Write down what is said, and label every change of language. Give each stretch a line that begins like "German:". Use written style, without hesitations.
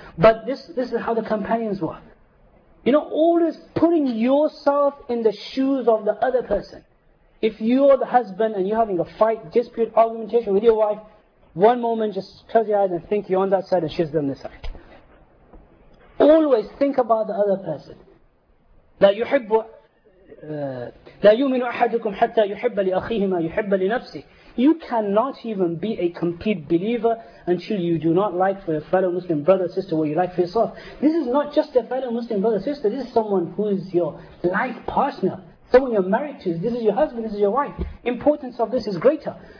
English: But this is how the companions were. You know, always putting yourself in the shoes of the other person. If you're the husband and you're having a fight, dispute, argumentation with your wife, one moment just close your eyes and think you're on that side and she's on this side. Always think about the other person.
Arabic: لا يحب لا يؤمن أحدكم حتى يحب لأخيه ما يحب لنفسه.
English: You cannot even be a complete believer until you do not like for your fellow Muslim brother or sister what you like for yourself. This is not just a fellow Muslim brother or sister, this is someone who is your life partner. Someone you're married to, this is your husband, this is your wife. Importance of this is greater.